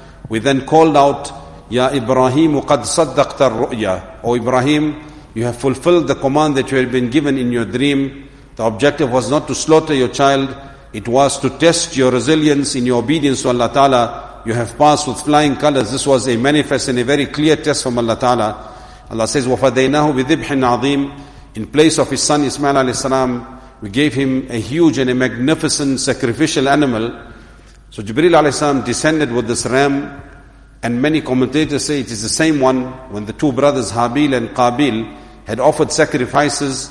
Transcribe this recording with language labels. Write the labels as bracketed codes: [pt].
[en] We then called out, Ya Ibrahim, [ar] qad saddaqta ar-ru'ya. [en] O Ibrahim, you have fulfilled the command that you had been given in your dream. The objective was not to slaughter your child, it was to test your resilience in your obedience to Allah Ta'ala. You have passed with flying colors. This was a manifest and a very clear test from Allah Ta'ala. Allah says, [ar] وَفَدَيْنَاهُ بِذِبْحٍ عَظِيمٍ. [en] In place of his son Ismail alayhi salam, we gave him a huge and a magnificent sacrificial animal. So Jibreel alayhi salam descended with this ram, and many commentators say it is the same one when the two brothers Habil and Qabil had offered sacrifices.